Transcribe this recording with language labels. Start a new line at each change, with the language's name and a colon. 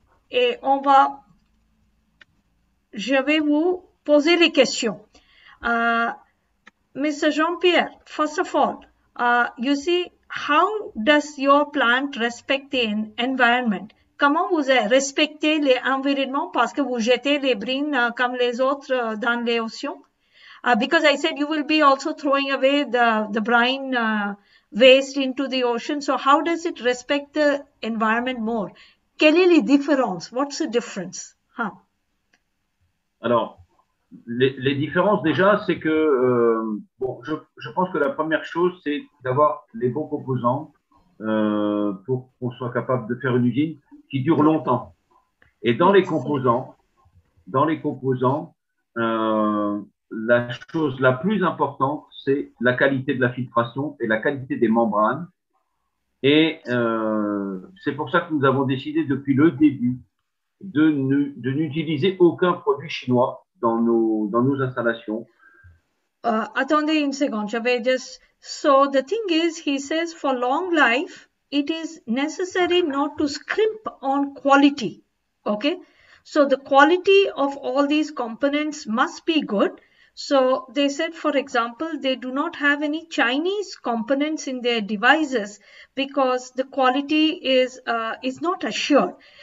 French: Et on va, je vais vous poser les questions.
English: Mr. Jean-Pierre, first of all, you see, how does your plant respect the environment?
French: Comment vous respectez l'environnement parce que vous jetez les brines comme les autres dans les océans?
English: Because I said you will be also throwing away the brine waste into the ocean. So how does it respect the environment more?
French: Quelle est la différence?
English: What's the difference? Huh?
French: Alors, les différences déjà, c'est que bon, je pense que la première chose, c'est d'avoir les bons composants pour qu'on soit capable de faire une usine qui dure longtemps. Et dans les composants, la chose la plus importante, c'est la qualité de la filtration et la qualité des membranes. Et c'est pour ça que nous avons décidé depuis le début de n'utiliser aucun produit chinois dans nos installations. Attendez une seconde, je vais juste...
English: So the thing is, he says for long life, it is necessary not to scrimp on quality, okay? So the quality of all these components must be good. So they said, for example, they do not have any Chinese components in their devices because the quality is not assured.